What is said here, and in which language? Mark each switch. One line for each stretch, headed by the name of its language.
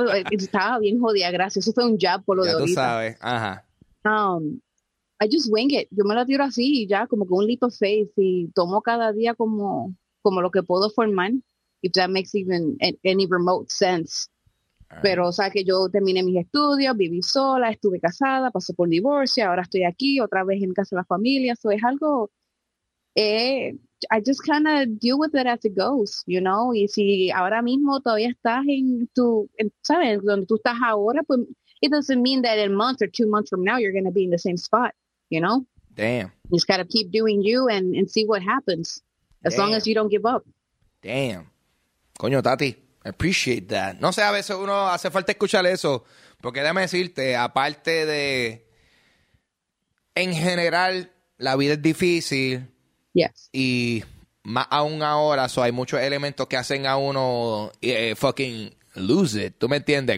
Spanish: Estaba bien jodida, gracias. Eso fue un jab por lo ya de ahorita. Ya tú sabes, ajá.
English: I just wing it.
Spanish: Yo me la tiro así, ya, como que un
English: leap of faith.
Spanish: Y tomo cada día como lo que puedo formar.
English: If that makes even any remote sense. Right.
Spanish: Pero, o sea, que yo terminé mis estudios, viví sola, estuve casada, pasé por divorcio, ahora estoy aquí, otra vez en casa de la familia. Eso es algo...
English: I just kind of deal with it as it goes, you know.
Spanish: Y si ahora mismo todavía estás en tu, en, sabes, donde tú estás ahora, pues,
English: it doesn't mean that in a month or 2 months from now you're going to be in the same spot, you know. Damn. You just got to keep doing you and see what happens. As long as you don't give up. Damn. Coño, Tati, I appreciate that.
Spanish: No sé, a veces uno hace falta escuchar eso. Porque déjame decirte, aparte de, en general, la vida es difícil.
English: Yes.
Spanish: Y más aún ahora, so hay muchos elementos que hacen a uno
English: fucking lose it.
Spanish: ¿Tú me entiendes?